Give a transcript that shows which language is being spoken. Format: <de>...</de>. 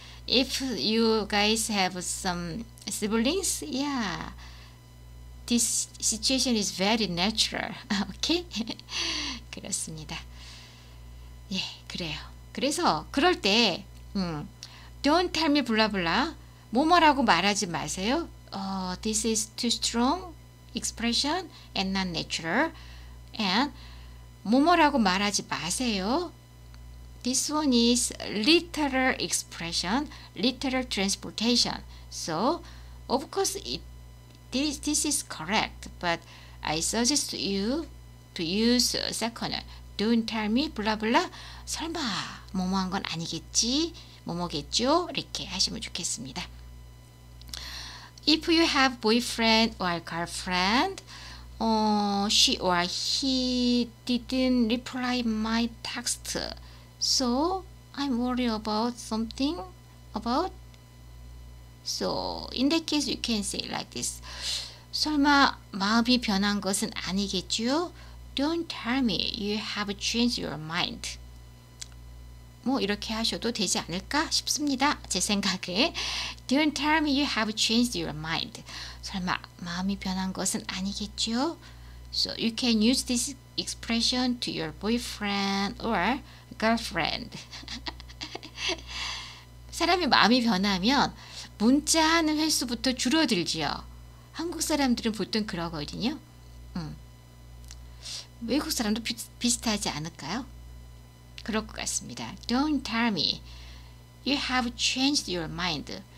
<en>If you guys have some siblings, yeah. This situation is very natural. Okay?</en> <ko>그렇습니다. 예, 그래요. 그래서 그럴 때</ko> <en>Don't tell me blah blah.</en> <ko>뭐뭐라고 말하지 마세요.</ko> <en>This is too strong expression and not natural. And</en> <ko>뭐뭐라고 말하지 마세요.</ko> <en>This one is literal expression, literal transportation. So, of course, This is correct, but I suggest you to use second. Don't tell me, blah, blah.</en> <ko>설마, 뭐뭐한 건 아니겠지? 뭐뭐겠죠? 이렇게 하시면 좋겠습니다.</ko> <en>If you have boyfriend or girlfriend, she or he didn't reply my text. So, I'm worried about something about... So, in that case, you can say like this.</en> <ko>설마 마음이 변한 것은 아니겠죠?</ko> <en>Don't tell me you have changed your mind.</en> <ko>뭐 이렇게 하셔도 되지 않을까 싶습니다. 제 생각에</ko> <en>Don't tell me you have changed your mind.</en> <ko>설마 마음이 변한 것은 아니겠죠?</ko> <en>So you can use this expression to your boyfriend or girlfriend.</en> <ko>사람이 마음이 변하면 문자하는 횟수부터 줄어들지요. 한국 사람들은 보통 그러거든요. 외국 사람도 비슷하지 않을까요? 그럴 것 같습니다.</ko> <en>Don't tell me you have changed your mind.</en>